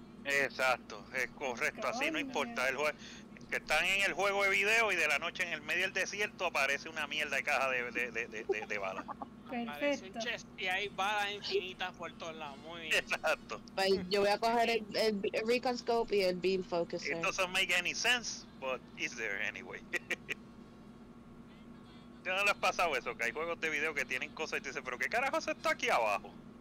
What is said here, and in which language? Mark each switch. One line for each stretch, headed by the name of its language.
Spanish: Exacto, es correcto. Así no importa el juego. Que están en el juego de video y de la noche en el medio del desierto aparece una mierda de caja de balas. Aparece un chest y hay balas infinitas por todos lados, muy bien. Exacto. Pues yo voy a coger el recon scope y el beam focuser.
English: It doesn't make any sense, but it's there anyway.
Spanish: ¿Ya no le has pasado eso? Que hay juegos de video que tienen cosas y te dicen, pero ¿qué carajo se está aquí abajo?